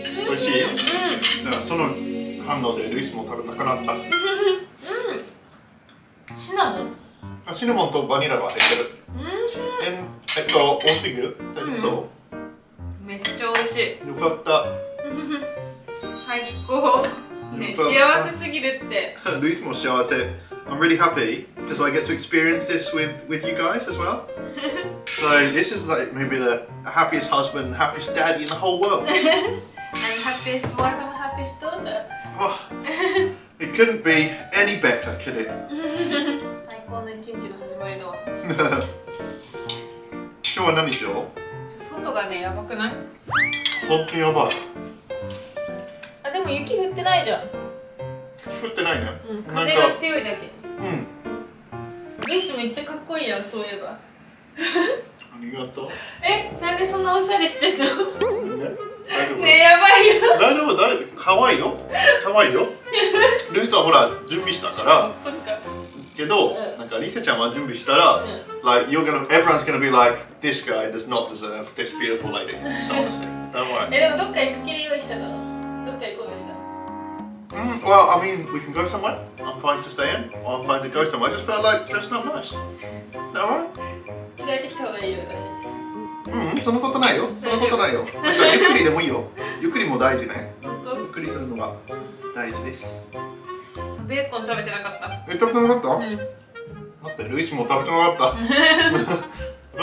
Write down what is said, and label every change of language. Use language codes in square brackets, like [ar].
[ja] 美味しい。うん。その反応でルイスも食べたくなった。うん。シナモン?あ、シナモンとバニラは入ってる。うん。多すぎる?大丈夫そう?めっちゃ美味しい。よかった。最高。幸せすぎるって。ルイスも幸せ。 [en] I'm really happy because I get to experience this with you guys as well. So this is like maybe the happiest husband, happiest daddy in the whole world. And happiest wife and happiest daughter. Oh, it couldn't be any better, could it? Like one in ginger, right? No. Today, what are you doing? The outside is crazy. Really crazy. But there's no snow. It's not snowing. The wind is strong. [ja] めっちゃかっこいいやん、そういえば。ありがとう。え、なんでそんなおしゃれしてんの？ねえ、やばいよ。大丈夫、大丈夫、可愛いよ、可愛いよ。ルイスはほら、準備したから。そっか。けど、うん、なんかリセちゃんは準備したら、うん、 [en] like you're gonna, everyone's gonna be like, this guy does not deserve this beautiful lady. So, don't worry. [ja] え、でもどっか行く気で用意したの？どっか行こうとしたの？ [en] Well, I mean, we can go somewhere. I'm fine to stay in. I'm fine to go somewhere. I just felt like dress not nice. Is that right? [ja] 着替えてきた方がいいよ、私。そのことないよ、そのことないよ。ゆっくりでもいいよ。ゆっくりも大事ね。本当？ゆっくりするのが大事です。ベーコン食べてなかった。え、食べてなかった？うん。待って、ルイスも食べてなかった。